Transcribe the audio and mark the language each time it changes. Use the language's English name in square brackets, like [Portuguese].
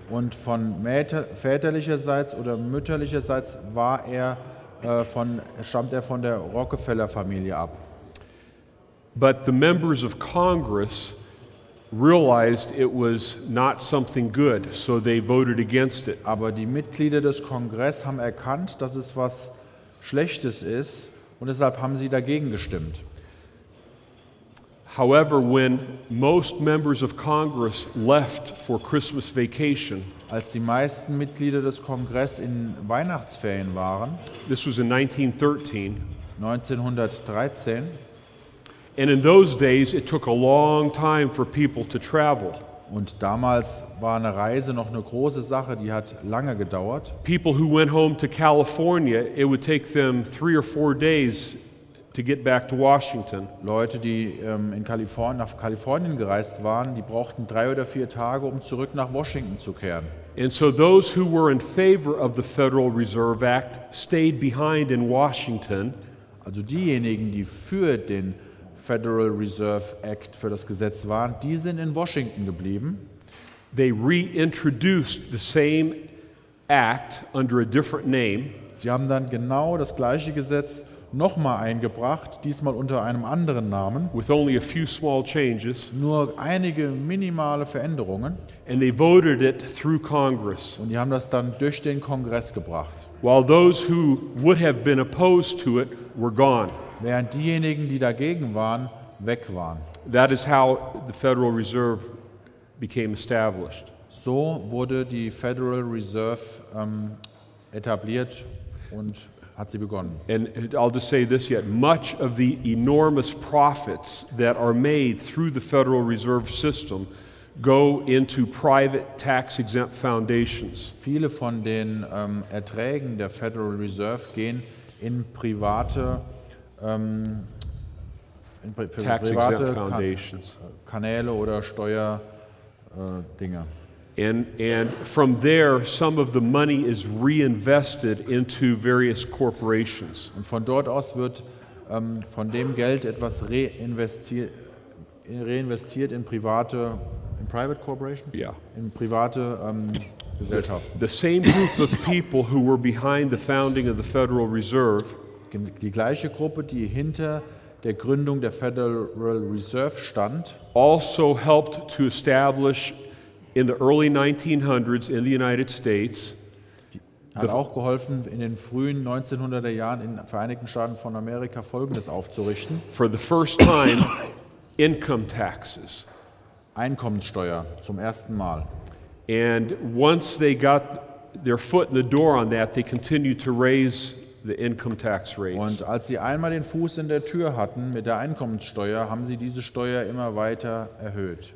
[German] Und von väterlicherseits oder mütterlicherseits war er stammt er von der Rockefeller Familie ab. [English] But the members of Congress realized it was not something good, so they voted against it. [German] Aber die Mitglieder des Kongress haben erkannt, dass es was Schlechtes ist, und deshalb haben sie dagegen gestimmt. [English] However, when most members of Congress left for Christmas vacation, [German] als die meisten Mitglieder des Kongress in Weihnachtsferien waren, [English] this was in 1913. [German] 1913. [English] And in those days, it took a long time for people to travel. [German] Und damals war eine Reise noch eine große Sache, die hat lange gedauert. [English] People who went home to California, it would take them 3 or 4 days to get back to Washington. [German] Leute, die nach Kalifornien gereist waren, die brauchten 3 oder 4 Tage, um zurück nach Washington zu kehren. [English] And so those who were in favor of the Federal Reserve Act stayed behind in Washington. [German] Also diejenigen, die für den Federal Reserve Act, für das Gesetz waren, die sind in Washington geblieben. [English] They reintroduced the same act under a different name. [German] Sie haben dann genau das gleiche Gesetz nochmal eingebracht, diesmal unter einem anderen Namen. [English] With only a few small changes. [German] Nur einige minimale Veränderungen. [English] And they voted it through Congress. [German] Und die haben das dann durch den Kongress gebracht. [English] While those who would have been opposed to it were gone. [German] Während diejenigen, die dagegen waren, weg waren. [English] That is how the Federal Reserve became established. [German] So wurde die Federal Reserve etabliert und hat sie begonnen. [English] And I'll just say this yet, much of the enormous profits that are made through the Federal Reserve System go into private tax-exempt foundations. [German] Viele von den Erträgen der Federal Reserve gehen in private [English] tax-exempt foundations. [German] Kanäle oder Steuerdinger. [English] And from there, some of the money is reinvested into various corporations. [German] Und von dort aus wird von dem Geld etwas reinvestiert in private, in [English] private corporations? Yeah. [German] In private Gesellschaften. [English] The same group of people who were behind the founding of the Federal Reserve, [German] die gleiche Gruppe, die hinter der Gründung der Federal Reserve stand, [English] also helped to establish in the early 1900s in the United States, [German] hat auch geholfen, in den frühen 1900er Jahren in den Vereinigten Staaten von Amerika Folgendes aufzurichten: [English] for the first time, income taxes. [German] Einkommenssteuer zum ersten Mal. [English] And once they got their foot in the door on that, they continued to raise the income tax rates. [German] Und als sie einmal den Fuß in der Tür hatten mit der Einkommenssteuer, haben sie diese Steuer immer weiter erhöht.